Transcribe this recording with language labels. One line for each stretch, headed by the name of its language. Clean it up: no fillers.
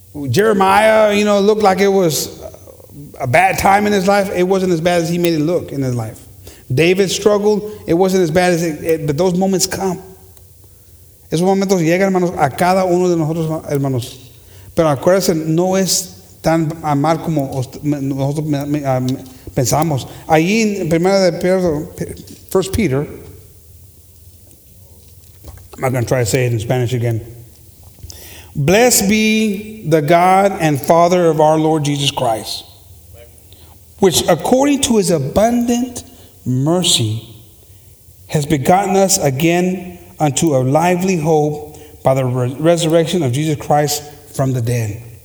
English: Jeremiah, you know, looked like it was a bad time in his life. It wasn't as bad as he made it look in his life. David struggled. It wasn't as bad as it, but those moments come.
Spanish: Esos momentos llegan, hermanos, a cada uno de nosotros, hermanos. Pero acuérdense, no es tan mal como nosotros pensamos. Allí en
English: 1 Peter, I'm not going to try to say it in Spanish again. Blessed be the God and Father of our Lord Jesus Christ, which according to his abundant mercy has begotten us again unto a lively hope by the resurrection of Jesus Christ from the dead,